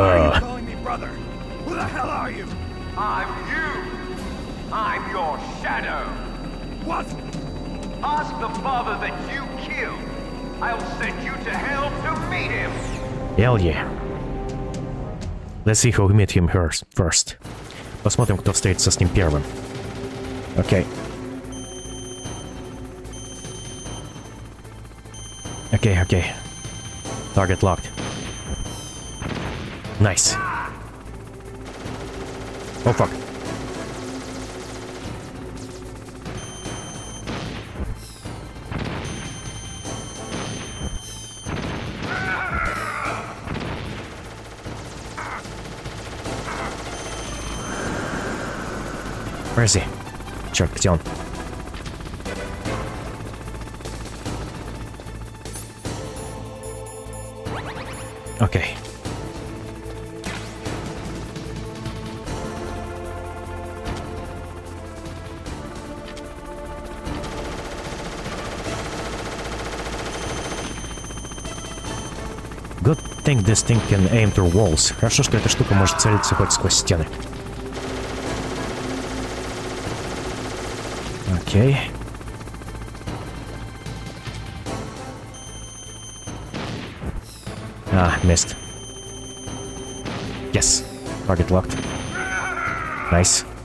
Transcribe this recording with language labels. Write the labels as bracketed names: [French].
[English] Why are you calling me brother? Who the hell are you? I'm you. I'm your shadow. What? Ask the father that you killed. I'll send you to hell to meet him. Hell yeah. Let's see who meet him first. [Russian] Посмотрим, кто встретится с ним первым. Окей. [English] Окей. Target locked. Nice. Oh, fuck. Where is he? [Russian] Черт, где он? Окей. [English] Good thing this thing can aim through walls. [Russian] Хорошо, что эта штука может целиться хоть сквозь стены. [English] Okay. Ah, missed. Yes. Target locked. Nice.